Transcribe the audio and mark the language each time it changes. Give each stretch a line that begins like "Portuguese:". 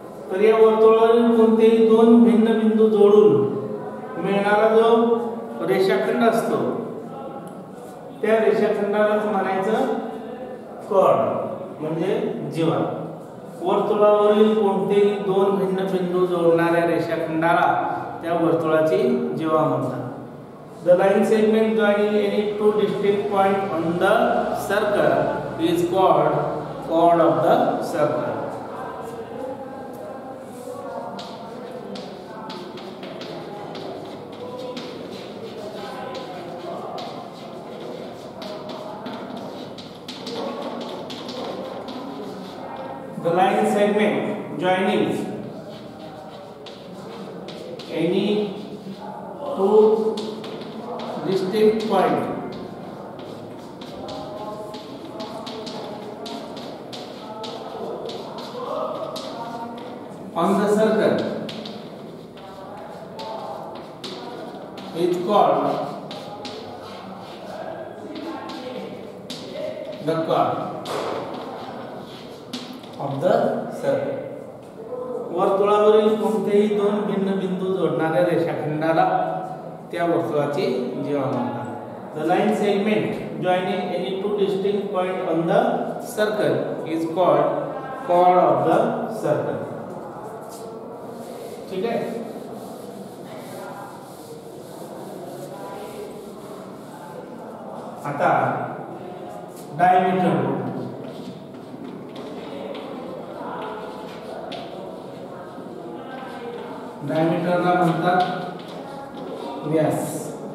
Marathi: तर या वर्तुळावरील कोणतेही दोन भिन्न बिंदू जोडून मिळणारा जो रेषाखंड असतो त्या रेषाखंडालाच म्हणायचं कॉर्ड म्हणजे जीवा. वर्तुळावरील कोणतेही दोन भिन्न बिंदू जोडणाऱ्या रेषाखंडाला त्या वर्तुळाची जीवा म्हणतात.
English: The line segment joining any two distinct point on the circle is called chord of the circle. The line segment joining any two distinct points on the circle is called the chord.
Marathi: वर्तुळावरील कोणतेही दोन भिन्न बिंदू जोडणाऱ्या रेषाखंडाला त्या वर्तुळाची जीवा म्हणतात.
English: The line segment joining any two distinct point on the circle is called chord of the circle.
Marathi: ठीक आहे, आता डायमीटर डायमीटरला म्हणतात व्यास.